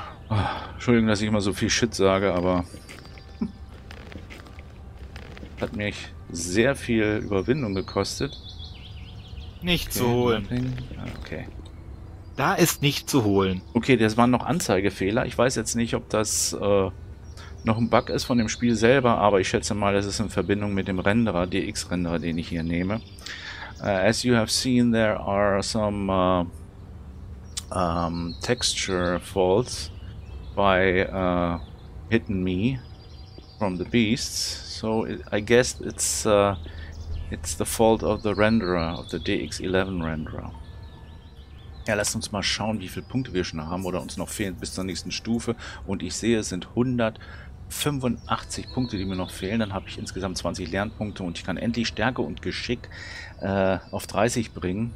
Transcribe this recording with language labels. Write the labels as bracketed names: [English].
[German] Oh, Entschuldigung, dass ich immer so viel Shit sage, aber hat mich sehr viel Überwindung gekostet. Nicht zu holen. Okay. Da ist nicht zu holen. Okay, das waren noch Anzeigefehler. Ich weiß jetzt nicht, ob das noch ein Bug ist von dem Spiel selber, aber ich schätze mal, das ist in Verbindung mit dem Renderer, DX-Renderer, den ich hier nehme. [English] As you have seen, there are some texture faults by hitting me from the beasts. So I guess it's the fault of the renderer, of the DX11 renderer. [German] Ja, lass uns mal schauen, wie viele Punkte wir schon haben oder uns noch fehlen bis zur nächsten Stufe. Und ich sehe, es sind 185 Punkte, die mir noch fehlen. Dann habe ich insgesamt 20 Lernpunkte und ich kann endlich Stärke und Geschick auf 30 bringen.